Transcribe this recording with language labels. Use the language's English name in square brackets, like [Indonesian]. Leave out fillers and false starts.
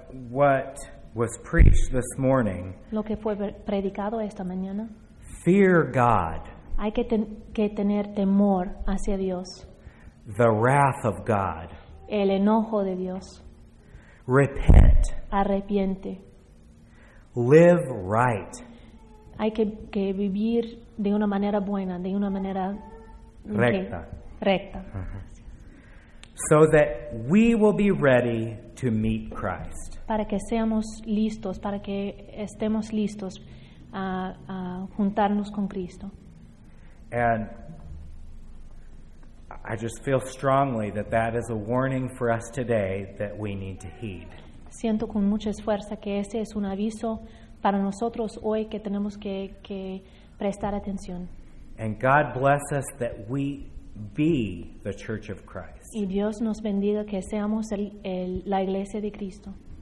[English] what was preached this morning, [Spanish] lo que fue predicado esta mañana, [English] fear God. [Spanish] Hay que tener temor hacia Dios. [English] The wrath of God. [Spanish] El enojo de Dios. [English] Repent. [Spanish] Arrepiente. [English] Live right. [Spanish] Hay que vivir de una manera buena, de una manera recta. Recta. [English] So that we will be ready to meet Christ. [Spanish] Para que seamos listos, para que estemos listos a juntarnos con Cristo. [English] And I just feel strongly that that is a warning for us today that we need to heed. [Spanish] Siento con mucha fuerza que ese es un aviso para nosotros hoy que tenemos que prestar atención. [English] And God bless us that we be the Church of Christ. [Spanish] Y Dios nos bendiga que seamos la Iglesia de Cristo.